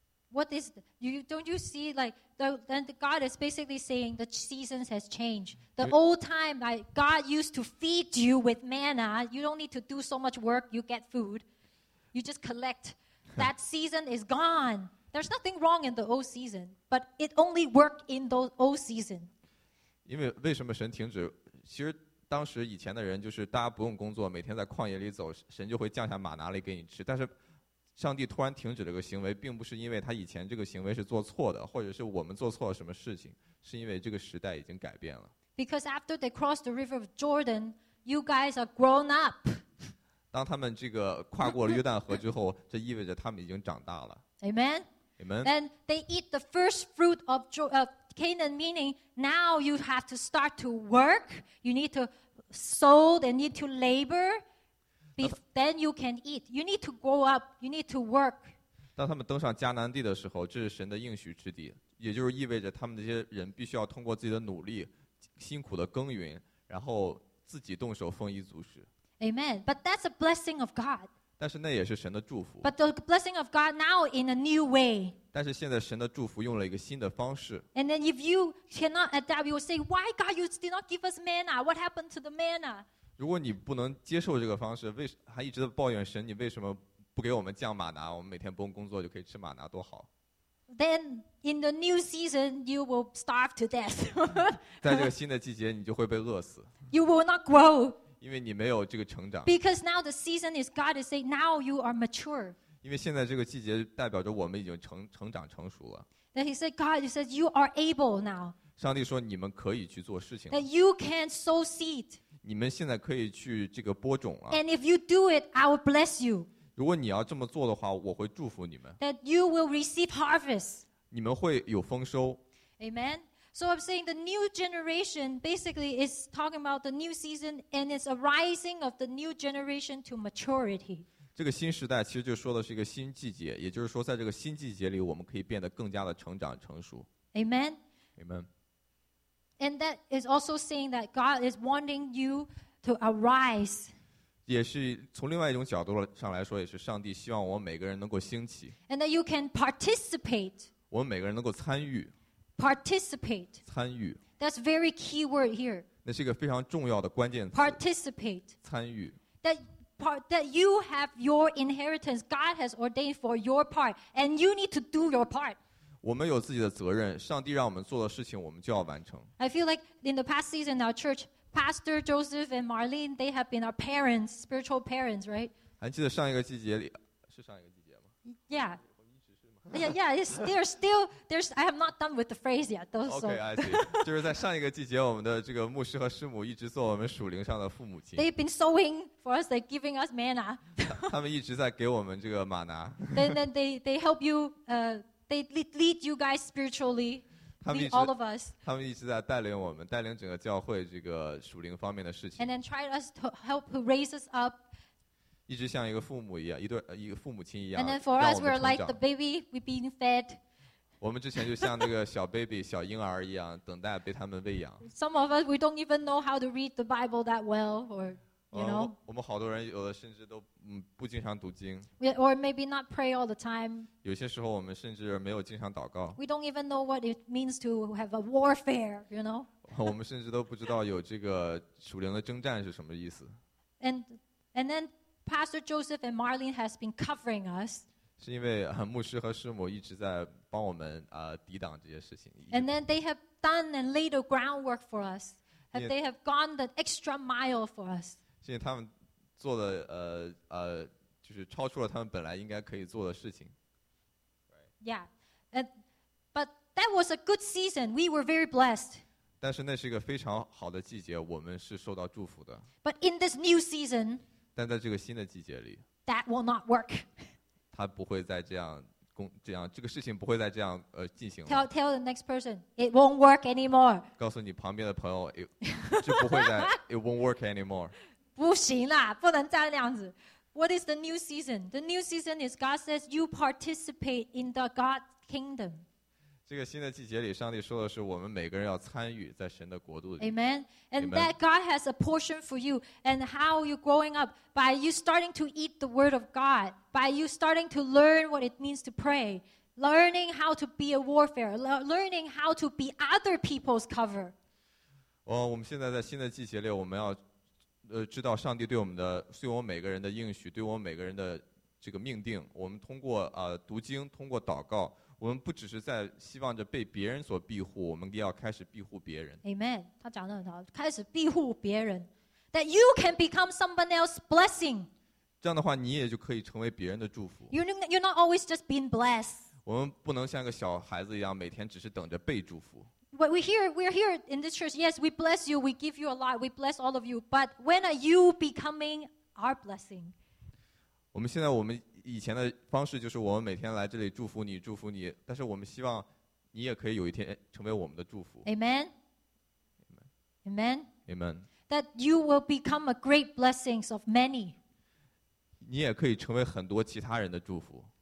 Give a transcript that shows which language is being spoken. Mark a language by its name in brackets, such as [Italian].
[English] What is, don't you see, like, then God is basically saying the seasons has changed. The old time, like, God used to feed you with manna. You don't need to do so much work. You get food. You just collect. That season is gone. There's nothing wrong in the old season, but it only worked in the old season. [Chinese] 因为为什么神停止？其实当时以前的人就是大家不用工作，每天在旷野里走，神就会降下玛拿来给你吃。但是上帝突然停止了这个行为，并不是因为他以前这个行为是做错的，或者是我们做错了什么事情，是因为这个时代已经改变了。 [English] Because after they crossed the river of Jordan, you guys are grown up. [Chinese] 当他们这个跨过了约旦河之后，这意味着他们已经长大了。 [English] Amen. Amen. And they eat the first fruit of Canaan, meaning now you have to start to work. You need to sow. They need to labor. Then you can eat. You need to grow up. You need to work. [Chinese] 当他们登上迦南地的时候，这是神的应许之地，也就是意味着他们这些人必须要通过自己的努力、辛苦的耕耘，然后自己动手丰衣足食。 [English] Amen. But that's a blessing of God. [Chinese] 但是那也是神的祝福。 [English] But the blessing of God now in a new way. [Chinese] 但是现在神的祝福用了一个新的方式。 [English] And then if you cannot adapt, you will say, "Why God, you did not give us manna? What happened to the manna?" [Chinese] 如果你不能接受这个方式，还一直抱怨神，你为什么不给我们降玛拿？我们每天不用工作就可以吃玛拿，多好！ [English] Then in the new season, you will starve to death. [Chinese] 在这个新的季节，你就会被饿死。 [English] You will not grow. [Chinese] 因为你没有这个成长。 [English] Because now the season is God is saying now you are mature. [Chinese] 因为现在这个季节代表着我们已经成长成熟了。 [English] Then he said, God, he says you are able now. [Chinese] 上帝说你们可以去做事情了。 [English] That you can sow seed. [Chinese] 你们现在可以去这个播种了。 [English] And if you do it, I will bless you. [Chinese] 如果你要这么做的话，我会祝福你们。 [English] That you will receive harvest. [Chinese] 你们会有丰收。 [English] Amen. So I'm saying the new generation basically is talking about the new season and it's a rising of the new generation to maturity. [Chinese] 这个新时代其实就说的是一个新季节，也就是说，在这个新季节里，我们可以变得更加的成长成熟。 [English] Amen. Amen. And that is also saying that God is wanting you to arise. [Chinese] 也是从另外一种角度上来说，也是上帝希望我们每个人能够兴起。 [English] And that you can participate. [Chinese] 我们每个人能够参与。 [English] Participate. [Chinese] 参与。 [English] That's a very key word here. [Chinese] 那是一个非常重要的关键词。 [English] Participate. [Chinese] 参与。 [English] That you have your inheritance. God has ordained for your part. And you need to do your part. [Chinese] 我们有自己的责任，上帝让我们做的事情我们就要完成。 [English] I feel like in the past season our church, Pastor Joseph and Marlene, they have been our parents, spiritual parents, right? [Chinese] 还记得上一个季节里，是上一个季节吗？ [English] Yeah, they're still, I have not done with the phrase yet, though, so. Okay, I see. [Chinese] 就是在上一个季节，我们的这个牧师和师母一直做我们属灵上的父母亲。 [English] They've been sowing for us, they're giving us manna. [Chinese] 他们一直在给我们这个玛拿。 [English] Then they help you, They lead you guys spiritually, lead all of us. [Chinese] 他们一直在带领我们，带领整个教会这个属灵方面的事情。 [English] And then try us to help raise us up. [Chinese] 一直像一个父母一样，一个父母亲一样。 [English] And then for us, we're like the baby, we're being fed. [Chinese] 我们之前就像那个小 baby, 小婴儿一样，等待被他们喂养。 [English] Some of us, we don't even know how to read the Bible that well, or you know. [Chinese] 我们好多人有的甚至都不经常读经。 [English] Or maybe not pray all the time. [Chinese] 有些时候我们甚至没有经常祷告。 [English] We don't even know what it means to have a warfare, you know? [Chinese] 我们甚至都不知道有这个属灵的征战是什么意思。 [English] And then Pastor Joseph and Marlene has been covering us. [Chinese] 是因为牧师和师母一直在帮我们抵挡这些事情。 [English] And then they have done and laid the groundwork for us. They have gone the extra mile for us. [Chinese] 是因为他们做的就是超出了他们本来应该可以做的事情。 [English] Yeah, but that was a good season. We were very blessed. [Chinese] 但是那是一个非常好的季节，我们是受到祝福的。 [English] But in this new season, [Chinese] 但在这个新的季节里 [English] ，that will not work. [Chinese] 它不会再这样，这个事情不会再这样进行了。 [English] Tell the next person, it won't work anymore. [Chinese] 告诉你旁边的朋友，就不会再 [English] it won't work anymore. [Chinese] 不行啦，不能再那样子。 [English] What is the new season? The new season is God says you participate in the God's kingdom. [Chinese] 这个新的季节里，上帝说的是我们每个人要参与在神的国度里。 [English] Amen. And that God has a portion for you. And how you growing up by you starting to eat the word of God, by you starting to learn what it means to pray, learning how to be a warfare, learning how to be other people's cover. [Chinese] 我们现在在新的季节里，我们要。知道上帝对我们的，对我们每个人的应许，对我们每个人的这个命定。我们通过读经，通过祷告，我们不只是在希望着被别人所庇护，我们也要开始庇护别人。 [English] Amen. [Chinese] 他讲得很好，开始庇护别人 [English] ，that you can become someone else's blessing. [Chinese] 这样的话，你也就可以成为别人的祝福。 [English] You're not always just being blessed. [Chinese] 我们不能像个小孩子一样，每天只是等着被祝福。 [English] But we're here in this church. Yes, we bless you. We give you a lot. We bless all of you. But when are you becoming our blessing? [Chinese] 我们现在我们以前的方式就是我们每天来这里祝福你，祝福你。但是我们希望你也可以有一天成为我们的祝福。 [English] Amen. Amen. Amen. That you will become a great blessing of many. [Chinese] 你也可以成为很多其他人的祝福。